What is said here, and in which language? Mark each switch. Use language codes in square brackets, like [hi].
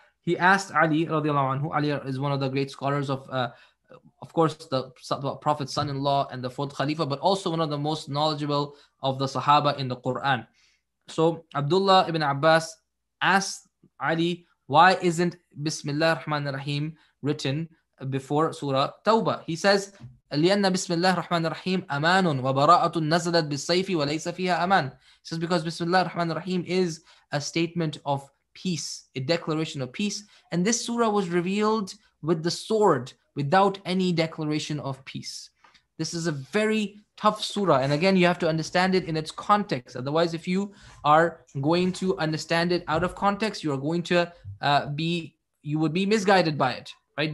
[en] He asked Ali radiallahu anhu. Ali is one of the great scholars of course, the Prophet's son-in-law and the fourth Khalifa, but also one of the most knowledgeable of the Sahaba in the Quran. So Abdullah ibn Abbas asked Ali, why isn't Bismillah ar-Rahman ar-Rahim written before Surah Tawbah? He says, [ar] لأن بسم الله الرحمن الرحيم أمان وبراءة نزلت بالصيف وليس فيها أمان. [en] It says because [ar] بسم الله الرحمن الرحيم [en] is a statement of peace, a declaration of peace. And this surah was revealed with the sword without any declaration of peace. This is a very tough surah. And again, you have to understand it in its context. Otherwise, if you are going to understand it out of context, you are going to you would be misguided by it, right?